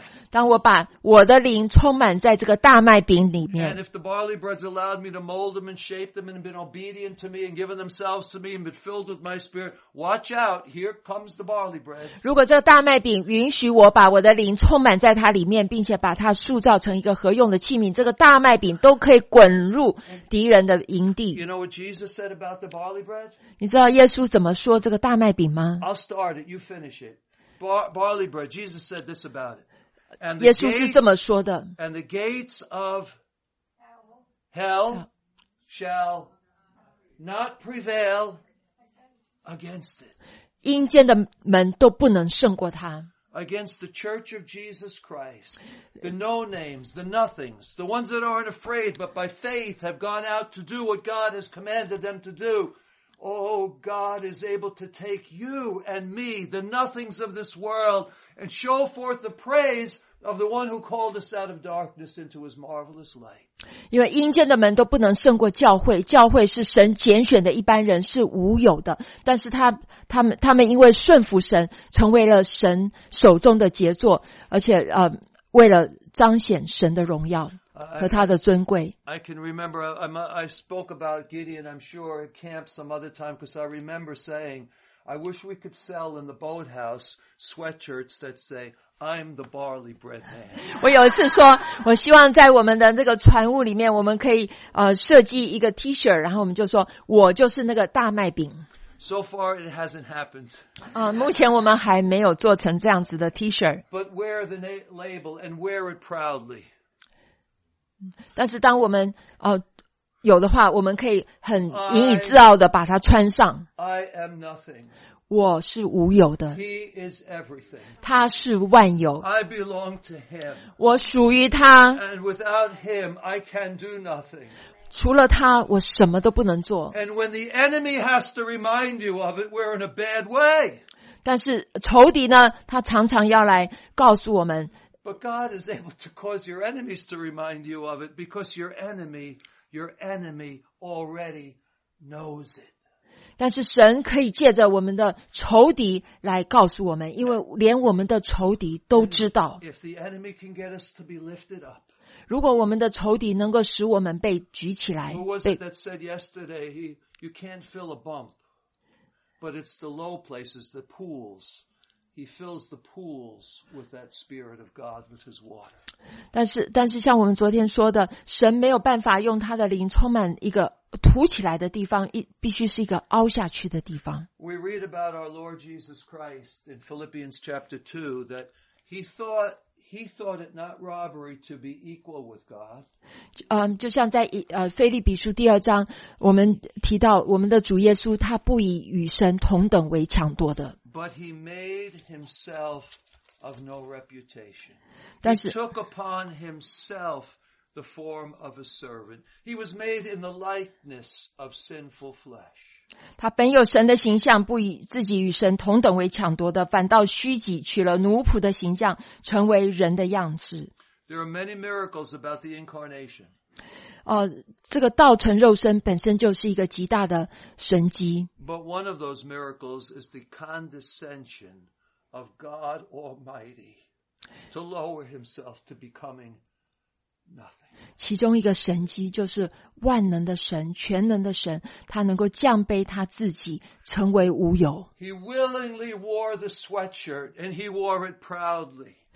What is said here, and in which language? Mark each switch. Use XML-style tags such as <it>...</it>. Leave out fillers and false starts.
<zh>当我把我的灵充满在这个大麦饼里面。</zh> <en>And if the barley bread's allowed me to mold them and shape them and been obedient to me and given themselves to me and been filled with my spirit, watch out, here comes the barley bread.</en> <zh>如果这个大麦饼允许我把我的灵充满在它里面，并且把它塑造成一个合用的器皿，这个大麦饼都可以滚入敌人的营地。</zh> <en>You know what Jesus said about the barley bread?</en> <zh>你知道耶稣怎么说这个大麦饼吗？</zh> <en>I'll start it. You finish it. Barley bread. Jesus said this about it. And the</en> <zh>耶稣是这么说的。</zh> <en>And the gates of hell shall not prevail against it.</en> <zh>阴间的门都不能胜过它。</zh> <en>against the Church of Jesus Christ, the no names, the nothings, the ones that aren't afraid, but by faith have gone out to do what God has commanded them to do. Oh, God is able to take you and me, the nothings of this world, and show forth the praise of the one who called us out of darkness into his marvelous light.</en> <zh>因为阴间的门都不能胜过教会，教会是神拣选的一般人，是无有的，但是他们因为顺服神，成为了神手中的杰作，而且为了彰显神的荣耀和他的尊贵。</zh> <en>I can remember, I spoke about Gideon, I'm sure, at camp some other time, because I remember saying, I wish we could sell in the boathouse sweatshirts that say, I'm the barley bread man.</en> <zh>我有一次说，我希望在我们的这个船坞里面，我们可以设计一个 T-shirt, 然后我们就说，我就是那个大麦饼。</zh> <en>So far, it hasn't happened.</en> <zh>目前我们还没有做成这样子的 T-shirt.</zh> <en>But wear the label and wear it proudly.</en> <zh>但是当我们有的话，我们可以很引以自傲的把它穿上。</zh> <en>I am nothing.</en> <zh>我是无有的。</zh> <en>He is everything.</en> <zh>他是万有。</zh> <en>I belong to him.</en> <zh>我属于他。</zh> <en>And without him, I can do nothing.</en> <zh>除了他，我什么都不能做。</zh> <en>And when the enemy has to remind you of it, we're in a bad way.</en> <zh>但是仇敌呢，他常常要来告诉我们。</zh> <en>But God is able to cause your enemies to remind you of it because your enemy already knows it.</en> <zh>但是神可以借着我们的仇敌来告诉我们，因为连我们的仇敌都知道。</zh> <en>If the enemy can get us to be lifted up.</en> <zh>如果我们的仇敌能够使我们被举起来。</zh> <en>Who was it that said yesterday, you can't fill a bump, but it's the low places, the pools. He fills the pools with that Spirit of God with His water.</en> <zh>但是像我们昨天说的，神没有办法用他的灵充满一个凸起来的地方，必须是一个凹下去的地方。</zh> <en>We read about our Lord Jesus Christ in Philippians chapter 2 that he thought it not robbery to be equal with God.</en> <zh>就像在腓立比书第二章，我们提到我们的主耶稣，他不以与神同等为抢夺的。</zh> <en>But he made himself of no reputation.</en> <zh>但是</zh> <en>he took upon himself the form of a servant. He was made in the likeness of sinful flesh.</en> <zh>他本有神的形象，不以自己与神同等为抢夺的，反倒虚己，取了奴仆的形象，成为人的样式。</zh> <en>There are many miracles about the incarnation.</en> <zh>这个道成肉身本身就是一个极大的神迹。</zh> <en>But one of those miracles is the condescension of God Almighty to lower himself to becoming nothing.</en> <zh>其中一个神迹就是万能的神，全能的神，他能够降卑他自己，成为无有。</zh> <en>He willingly wore the sweatshirt and he wore it proudly.</en>